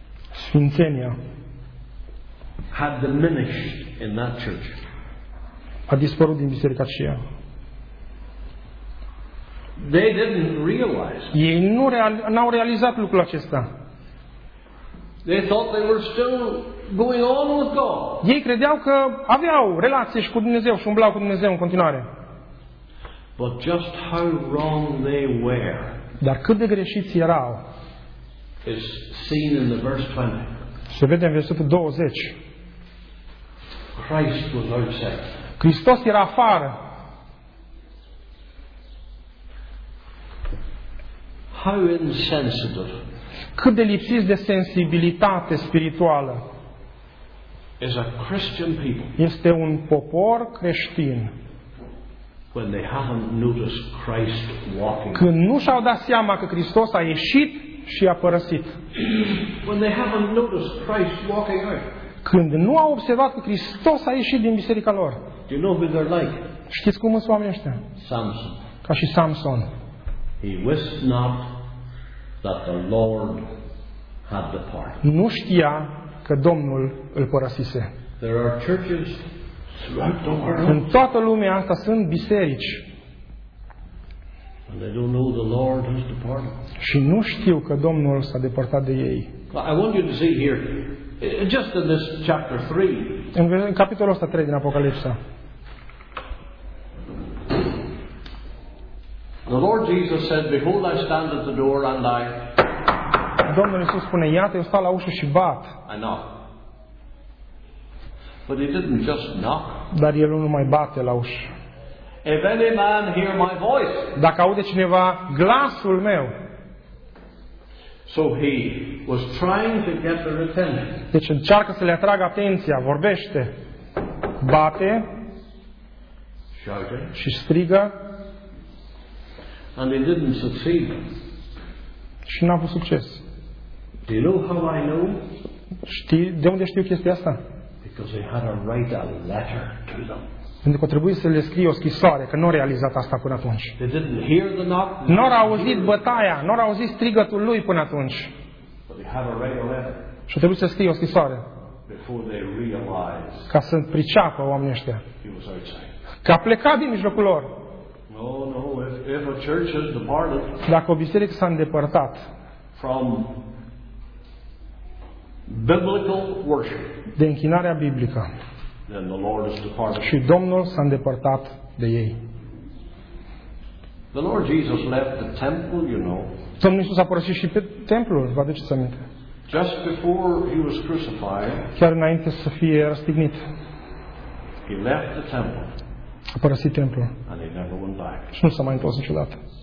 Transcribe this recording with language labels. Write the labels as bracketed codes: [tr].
[ro] Sfințenia. [en] Had diminished in that church. [ro] A dispărut din biserica aceea. [en] They didn't realize. [ro] Ei nu n-au realizat lucrul acesta. [en] They thought they were still going on with God. [ro] Ei credeau că aveau relații și cu Dumnezeu și umblau cu Dumnezeu în continuare. [en] But just how wrong they were. [ro] Dar cât de greșiți erau. [en] Is seen in the verse 20. [ro] Se vede în versetul 20. [en] Christ was outside. [ro] Hristos era afară. [en] How insensitive. [ro] Cât de lipsiți de sensibilitate spirituală. [en] Is a Christian people. [ro] Este un popor creștin. [en] When they haven't noticed Christ walking. [ro] Când nu și-au dat seama că Hristos a ieșit și a părăsit. [en] When they haven't noticed Christ walking out. [ro] Când nu au observat că Hristos a ieșit din biserica lor. [en] Do you know who they're like? [ro] Știți cum sunt oamenii ăștia? [en] Samson. [ro] Ca și Samson. [en] He wist not that the Lord had departed. [ro] Nu știa că Domnul îl părăsise. [en] There are churches throughout the world. [ro] În toată lumea asta sunt biserici. [en] And they don't know the Lord has departed. [ro] Și nu știu că Domnul s-a depărtat de ei. [en] I want you to see here, just in this chapter 3. [ro] În capitolul ăsta 3 din Apocalipsa. [en] The Lord Jesus said, "Behold, I stand at the door and I." [ro] Domnul Iisus spune, iată, eu stau la ușă și bat. [en] I knock. But he didn't just knock. [ro] Dar el nu mai bate la ușă. [en] If any man hear my voice. [ro] Dacă aude cineva glasul meu. [en] So he was trying to get their attention. [ro] Deci încearcă să le atragă atenția, vorbește, bate, [en] shouting. [ro] Și strigă. [en] And he didn't succeed. [ro] Și n-a avut succes. [en] Do you know how I know? [ro] Știi de unde știu chestia asta? [en] Because he had to write a letter to them. [ro] Pentru că trebuie să le scrie o scrisoare, că nu au realizat asta până atunci. [en] They didn't hear the knock. [ro] N-au auzit bătaia, n-au auzit strigătul lui până atunci. [en] But they had to write a letter. [ro] Și trebuie să scrie o scrisoare. [en] Before they realize. [ro] Ca să priceapă oamenii ăștia. [en] He was outside. [ro] Că a plecat din mijlocul lor. [en] No, if a church has departed. [ro] Dacă o biserică s-a îndepărtat [en] from biblical worship. [ro] De închinarea biblică. [en] Then the Lord has departed. [ro] Și Domnul s-a îndepărtat de ei. [en] The Lord Jesus left the temple, you know. [ro] Domnul Iisus a părăsit și pe templu, vă aduceți aminte. [en] Just before he was crucified. [ro] Chiar înainte să fie răstignit. [en] He left the temple. [ro] A părăsit templul. [en] And he never went back. [ro] Și nu s-a mai întors niciodată.